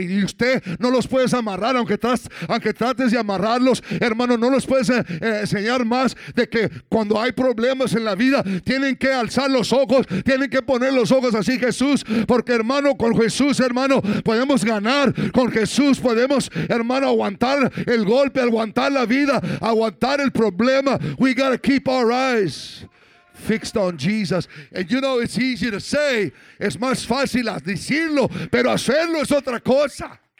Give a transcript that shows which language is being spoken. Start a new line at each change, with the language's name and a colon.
Spanish: Y usted no los puedes amarrar, aunque trates de amarrarlos, hermano, no los puedes enseñar más de que cuando hay problemas en la vida, tienen que alzar los ojos, tienen que poner los ojos así, Jesús, porque, hermano, con Jesús, hermano, podemos ganar. Con Jesús podemos, hermano, aguantar el golpe, aguantar la vida, aguantar el problema.
English: We gotta keep our eyes fixed on Jesus. And you know, it's easy to say.
Spanish: Es más fácil decirlo, pero hacerlo es otra cosa.